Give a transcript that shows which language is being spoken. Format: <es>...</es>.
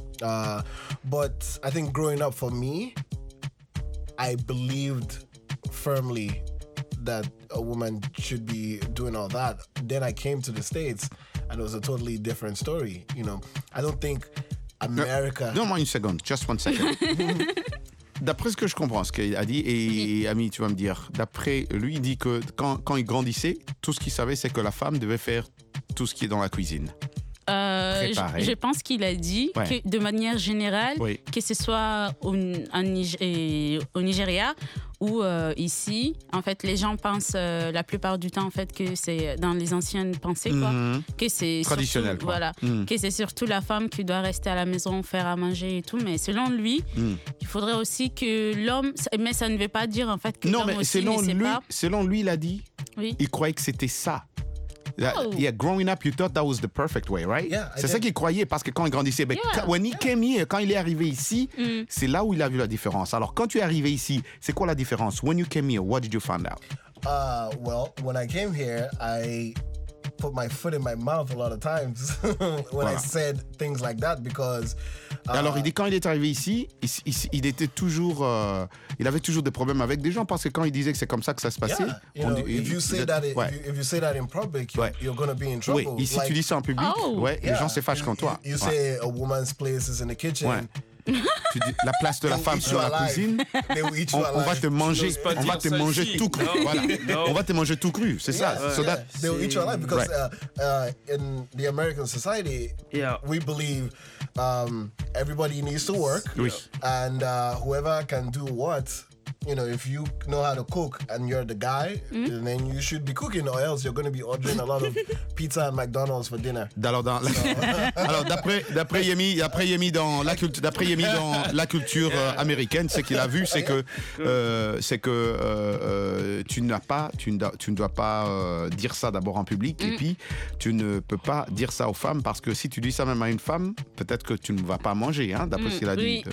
<en>But I think growing up for me, I believed firmly that a woman should be doing all that. Then I came to the States and it was a totally different story. You know, I don't think America... Don't mind a second. Just one second.</en> <fr>d'après ce que je comprends, ce qu'il a dit, et Ami, tu vas me dire, d'après lui, il dit que quand il grandissait, tout ce qu'il savait, c'est que la femme devait faire tout ce qui est dans la cuisine. Je pense qu'il a dit que de manière générale, que ce soit au Nigeria ou ici, en fait, les gens pensent la plupart du temps en fait que c'est dans les anciennes pensées quoi, que c'est traditionnel, surtout, voilà, que c'est surtout la femme qui doit rester à la maison, faire à manger et tout. Mais selon lui, il faudrait aussi que l'homme. Mais ça ne veut pas dire en fait que l'homme aussi ne sait lui, pas. Selon lui, il a dit. Oui. Il croyait que c'était ça.</fr> <en>Yeah, growing up, you thought that was the perfect way, right? Yeah,</en> <fr>c'est ça qu'il croyait, parce que quand il grandissait, quand il est arrivé ici, c'est là où il a vu la différence. Alors, quand tu es arrivé ici, c'est quoi la différence?</fr> <en>When you came here, what did you find out? Well, when I came here, I put my foot in my mouth a lot of times when I said things like that, because...</en> <fr>Alors, il dit, quand il est arrivé ici, il était toujours... il avait toujours des problèmes avec des gens, parce que quand il disait que c'est comme ça que ça se passait...</fr> <en>If you say that in public, you're going to be in trouble.</en> <fr>Oui, ici, like, tu dis ça en public, les gens se fâchent contre toi.</fr> <en>You say a woman's place is in the kitchen.</en> <fr>Ouais. Tu dis, la place de la femme sur la cuisine, on va te manger, on va te manger tout cru. On va te manger tout cru, c'est ça.</fr> <en>So that, they will eat you alive, because in the American society, we believe... everybody needs to work, and whoever can do what, you know, if you know how to cook and you're the guy, then you should be cooking, or else you're going to be ordering a lot of pizza and McDonald's for dinner.</en> <fr>Alors, dans, alors d'après Yemi, dans la culture américaine, ce qu'il a vu, c'est que tu ne dois pas dire ça d'abord en public, et puis tu ne peux pas dire ça aux femmes, parce que si tu dis ça même à une femme, peut-être que tu ne vas pas manger, hein, d'après ce qu'il a dit.</fr>